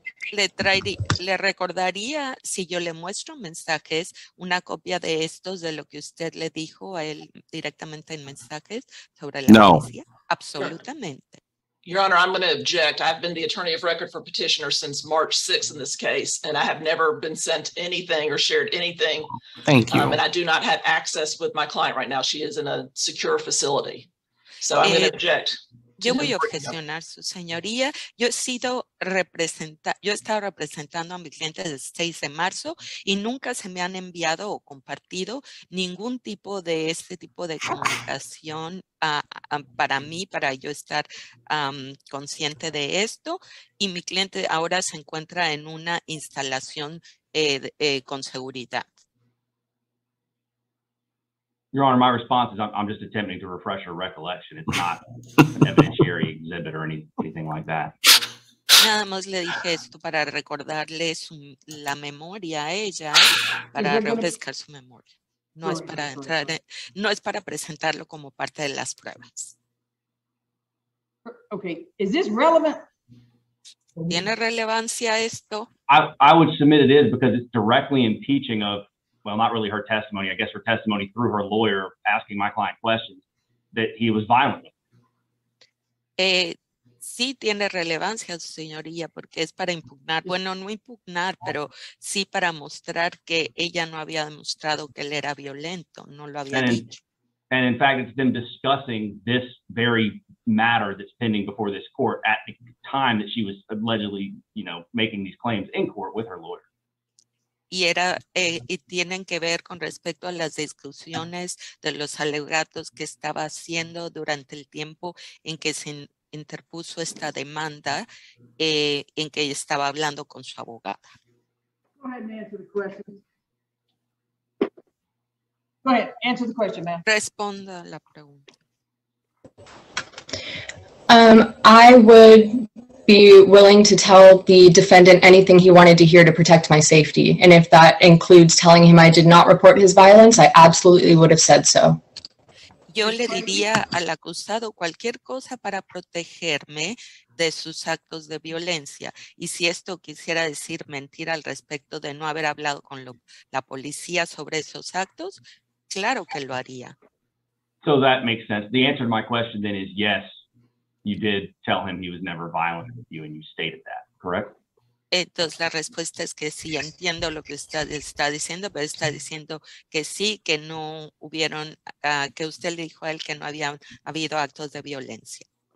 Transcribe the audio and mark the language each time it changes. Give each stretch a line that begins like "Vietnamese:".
Spanish: Le recordaría si yo le muestro mensajes una copia de estos de lo que usted le dijo a él directamente en mensajes sobre la policía. No. Absolutamente.
English: Your Honor, I'm going to object. I've been the attorney of record for petitioner since March 6th in this case, and I have never been sent anything or shared anything. Thank you. And I do not have access with my client right now. She is in a secure facility. So I'm going to object.
Spanish: Yo voy a objecionar, su señoría. Yo he sido representada, yo he estado representando a mi cliente desde el 6 de marzo y nunca se me han enviado o compartido ningún tipo de este tipo de comunicación para mí, para yo estar consciente de esto. Y mi cliente ahora se encuentra en una instalación con seguridad.
English: Your Honor, my response is I'm just attempting to refresh her recollection. It's not an evidentiary exhibit or anything like that.
Spanish: Nada más le dije esto para recordarle su, la memoria a ella, para refrescar su memoria. No es para entrar, no es para presentarlo como parte de las pruebas.
English: Okay, is this relevant?
Spanish: ¿Tiene relevancia esto?
English: I would submit it is because it's directly impeaching of, well, not really her testimony. I guess her testimony through her lawyer asking my client questions that he was violent.
Spanish: Sí tiene relevancia, su señoría, porque es para impugnar. Bueno, no impugnar, pero sí para mostrar que ella no había demostrado que él era violento. No lo había dicho.
English: And in fact, it's been discussing this very matter that's pending before this court at the time that she was allegedly, you know, making these claims in court with her lawyer.
Spanish: Y era y tienen que ver con respecto a las discusiones de los alegatos que estaba haciendo durante el tiempo en que se interpuso esta demanda, en que estaba hablando con su abogada.
English: Go ahead and answer the question. Go ahead, answer the question, ma'am.
Spanish: Responda la pregunta.
English: I would be willing to tell the defendant anything he wanted to hear to protect my safety. And if that includes telling him I did not report his violence, I absolutely would have said so.
Spanish: Yo le diría al acusado cualquier cosa para protegerme de sus actos de violencia. Y si esto quisiera decir mentira al respecto de no haber hablado con lo, la policía sobre esos actos, claro que lo haría.
English: So that makes sense. The answer to my question then is yes. You did tell him he was never violent with you, and you stated that, correct?
Spanish: Entonces, la respuesta es que sí, entiendo lo que usted está diciendo, pero está diciendo que sí, que no hubieron, que usted le dijo a él que no había habido actos de violencia.